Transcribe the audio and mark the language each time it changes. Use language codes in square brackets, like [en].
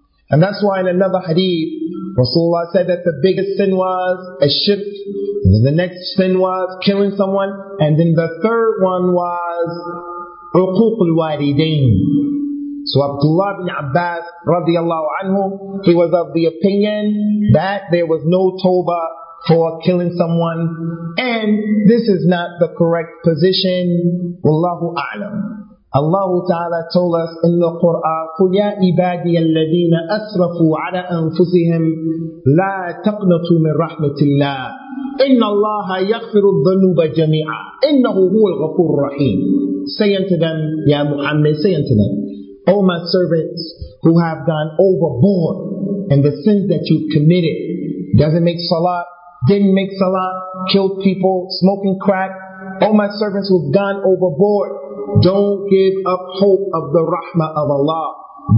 [en] And that's why in another hadith, Rasulullah said that the biggest sin was a shirk, and then the next sin was killing someone, and then the third one was uquq al-walidain. So Abdullah ibn Abbas radiallahu anhu, he was of the opinion that there was no tawbah for killing someone, and this is not the correct position. Wallahu a'lam. Allah Ta'ala told us in the Quran, [ar] قُلْ يَا عِبَادِيَ الَّذِينَ أَسْرَفُوا عَلَىٰ أَنفُسِهِمْ لَا تَقْنَطُوا مِنْ رَحْمَةِ اللَّهِ إِنَّ اللَّهَ يَغْفِرُ الذُّنُوبَ جَمِيعًا إِنَّهُ هُوَ الْغَفُورُ الرَّحِيمُ. [en] Say unto them, Ya Muhammad, say unto them, O my servants who have gone overboard in the sins that you've committed, doesn't make salah, didn't make salah, killed people, smoking crack. O my servants who've gone overboard, don't give up hope of the rahmah of Allah.